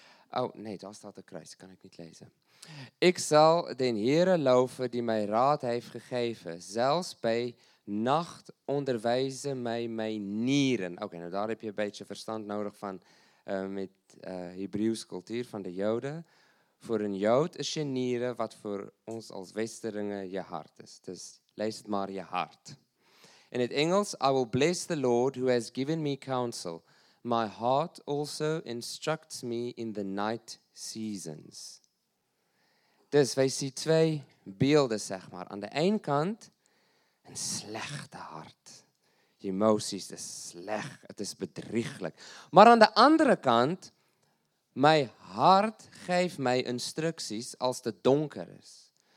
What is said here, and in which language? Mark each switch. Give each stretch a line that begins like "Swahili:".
Dutch: Oh nee, daar staat de kruis, kan ik niet lezen. Ik zal den Heere loven die mij raad heeft gegeven, zelfs bij nacht onderwijzen mij mijn nieren. Oké, nou daar heb je een beetje verstand nodig van met Hebreeuws cultuur van de Joden. Voor een Jood is je nieren wat voor ons als Westerlingen je hart is. Dus lees het maar, je hart. In het Engels,
English: I will bless the Lord who has given me counsel. My heart also instructs me in the night seasons.
Dutch: Dus wij zien twee beelden, zeg maar. Aan de ene kant, een slechte hart. Je emoties, het is slecht, het is bedrieglijk. Maar aan de andere kant, mijn hart geeft mij instructies als het donker is.